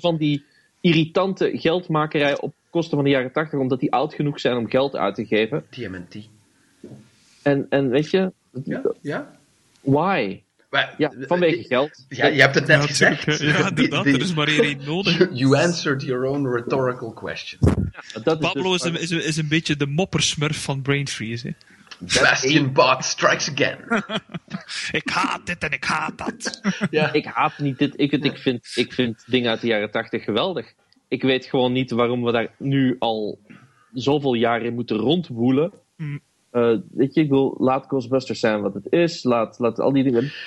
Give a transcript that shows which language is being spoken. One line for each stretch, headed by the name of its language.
Dutch: van die irritante geldmakerij op kosten van de jaren 80, omdat die oud genoeg zijn om geld uit te geven. TMNT. En weet je... Why? Ja, vanwege geld. Ja, je hebt het net gezegd. Ja, inderdaad, er is maar één nodig.
English: You answered your own rhetorical question.
Dutch: Ja, Pablo is een beetje de moppersmurf van Brain Freeze.
English: Bastion Bot strikes again.
Dutch: Ik haat dit en ik haat dat. Ja. Ik haat niet dit. Ik vind dingen uit de jaren 80 geweldig. ik weet gewoon niet waarom we daar nu al zoveel jaren in moeten rondwoelen. Weet je, ik bedoel, laat Ghostbusters zijn wat het is, laat al die dingen.